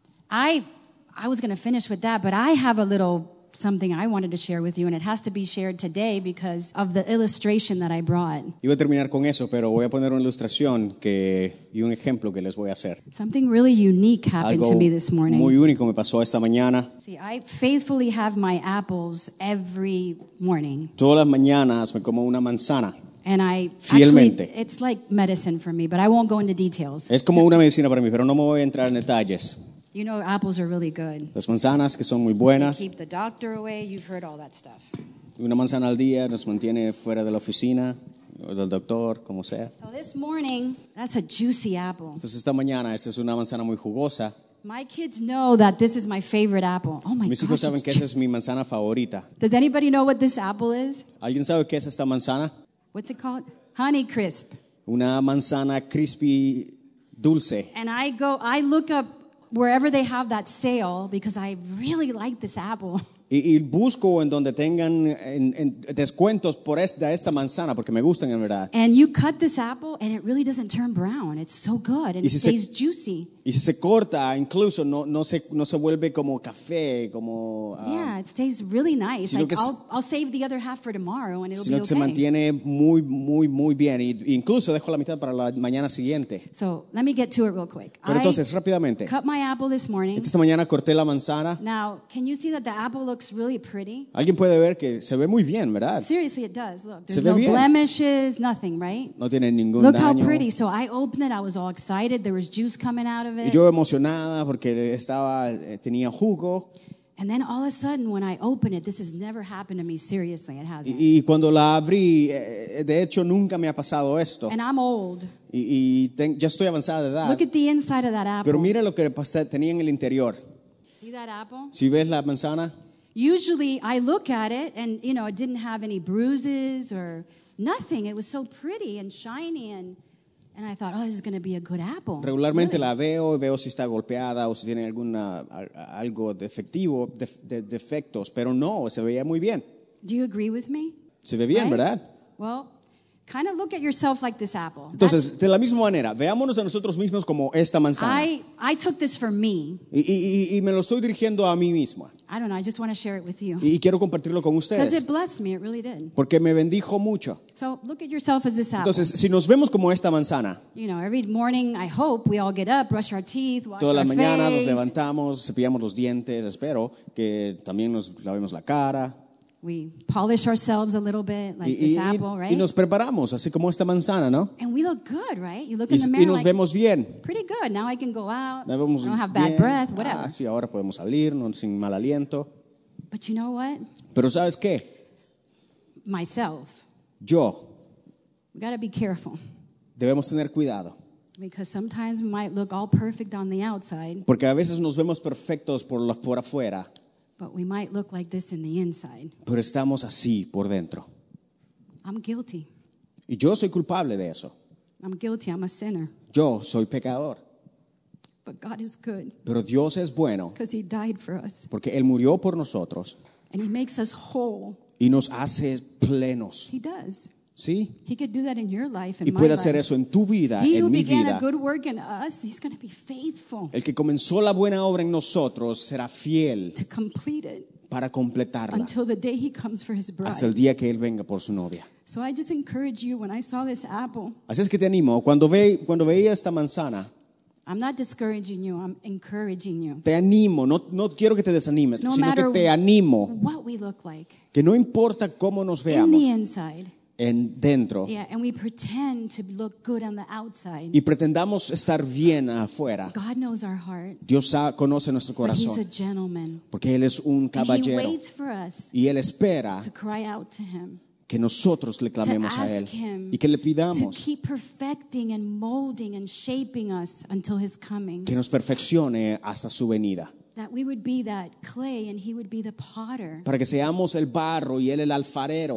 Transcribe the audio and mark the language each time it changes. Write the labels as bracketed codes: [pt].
[en] I was going to finish with that, but I have a little something I wanted to share with you, and it has to be shared today because of the illustration that I brought. [es] Iba a terminar con eso, pero voy a poner una ilustración que y un ejemplo que les voy a hacer. [en] Something really unique happened [es] algo [en] to me this morning. [es] Muy único me pasó esta mañana. [en] See, I faithfully have my apples every morning. [es] Todas las mañanas me como una manzana. [en] And I [es] fielmente. [en] Actually, it's like medicine for me, but I won't go into details. [es] Es como una medicina para mí, pero no me voy a entrar en detalles. [en] You know, apples are really good. [es] Las manzanas que son muy buenas. [en] They keep the doctor away. You've heard all that stuff. [es] Una manzana al día nos mantiene fuera de la oficina, o del doctor, como sea. [en] So this morning, that's a juicy apple. [es] Entonces esta mañana, esta es una manzana muy jugosa. [en] My kids know that this is my favorite apple. Oh my gosh. [es] Mis hijos saben que esa es mi manzana favorita. [en] Does anybody know what this apple is? [es] ¿Alguien sabe qué es esta manzana? [en] What's it called? Honey Crisp. [es] Una manzana crispy dulce. [en] And I look up wherever they have that sale, because I really like this apple. [es] Y busco en donde tengan en descuentos por esta manzana, porque me gustan en verdad. [en] And you cut this apple, and it really doesn't turn brown. It's so good, and it stays juicy. [es] Y si se corta, incluso no se vuelve como café, como. [en] Yeah, it stays really nice. Like, I'll save the other half for tomorrow, and it'll be okay. [es] Se mantiene muy, muy, muy bien. Y incluso dejo la mitad para la mañana siguiente. [en] So, let me get to it real quick. [es] Pero entonces, rápidamente. [en] Cut my apple this morning. [es] Esta mañana corté la manzana. [en] Now, can you see that the apple looks really pretty? [es] Alguien puede ver que se ve muy bien, ¿verdad? [en] Seriously, it does. Look, there's no blemishes, nothing, right? [es] No tiene ningún daño. [en] Look how pretty. So, I opened it. I was all excited. There was juice coming out of it. [es] Y yo emocionada porque tenía jugo. [en] And then all of a sudden when I open it, this has never happened to me, seriously, it hasn't. [es] Y cuando la abrí, de hecho nunca me ha pasado esto. [en] And I'm old. [es] Ya estoy avanzada de edad. [en] Look at the inside of that apple. [es] Pero mira lo que tenía en el interior. [en] See that apple? [es] Si ves la manzana. [en] Usually I look at it and you know, it didn't have any bruises or nothing. It was so pretty and shiny and I thought, oh, this is going to be a good apple. [es] Regularmente [en] really? [es] La veo y veo si está golpeada o si tiene alguna algo defectivo, defectos, pero no, se veía muy bien. [en] Do you agree with me? [es] Se ve bien, [en] right? [es] ¿Verdad? [en] Well, Kind of look at yourself like this apple. [es] Entonces, de la misma manera, veámonos a nosotros mismos como esta manzana. [en] I took this for me. [es] Y me lo estoy dirigiendo a mí misma. [en] I don't know, I just want to share it with you. [es] Y quiero compartirlo con ustedes. [en] Because it blessed me, it really did. [es] Porque me bendijo mucho. [en] So look at yourself as this apple. [es] Entonces, si nos vemos como esta manzana. [en] You know, every morning I hope we all get up, brush our teeth, wash our face. [es] Toda la mañana [en] face. [es] Nos levantamos, cepillamos los dientes, espero que también nos lavemos la cara. [en] We polish ourselves a little bit, like this apple, right? [es] Y nos preparamos, así como esta manzana, ¿no? [en] And we look good, right? You look in the mirror. [es] Y nos vemos bien. [en] Pretty good. Now I can go out. [es] Nos vemos bien. [en] I don't have bad breath, whatever. [es] Ah, sí, ahora podemos salir, no, sin mal aliento. [en] But you know what? [es] Pero ¿sabes qué? [en] Myself. [es] Yo. [en] We gotta be careful. [es] Debemos tener cuidado. [en] Because sometimes we might look all perfect on the outside. [es] Porque a veces nos vemos perfectos por afuera. [en] But we might look like this in the inside. [es] Pero estamos así por dentro. [en] I'm guilty. [es] Y yo soy culpable de eso. [en] I'm guilty. I'm a sinner. [es] Yo soy pecador. [en] But God is good. [es] Pero Dios es bueno. [en] Because He died for us. [es] Porque Él murió por nosotros. [en] And He makes us whole. [es] Y nos hace plenos. [en] He does. [es] Sí. [en] He could do that in your life, in [es] y puede hacer eso en tu vida, [en] he [es] en mi [en] began [es] vida. [en] A good work in us, he's going to be faithful. [es] El que comenzó la buena obra en nosotros será fiel [en] to complete it [es] para completarla [en] until the day he comes for his bride. [es] Hasta el día que él venga por su novia. [en] So I just encourage you when I saw this apple. [es] Así es que te animo cuando veía esta manzana. [en] I'm not discouraging you, I'm encouraging you. [es] Te animo, no quiero que te desanimes, [en] no [es] sino [en] matter [es] que te animo. [en] What we look like, [es] que no importa cómo nos veamos. [en] In the inside. [es] En dentro. [en] Yeah, and we pretend to look good on the outside. [es] Y pretendamos estar bien afuera. [en] God knows our heart. [es] Dios conoce nuestro corazón. [en] But he's a gentleman. [es] Porque él es un caballero. [en] And he waits for us. [es] Y él espera. [en] To cry out to him. [es] Que nosotros le clamemos [en] to ask [es] a él. [en] Him [es] y que le pidamos. [en] To keep perfecting and molding and shaping us until his coming. [es] Que nos perfeccione hasta su venida. [en] That we would be that clay and he would be the potter. [es] Para que seamos el barro y él el alfarero.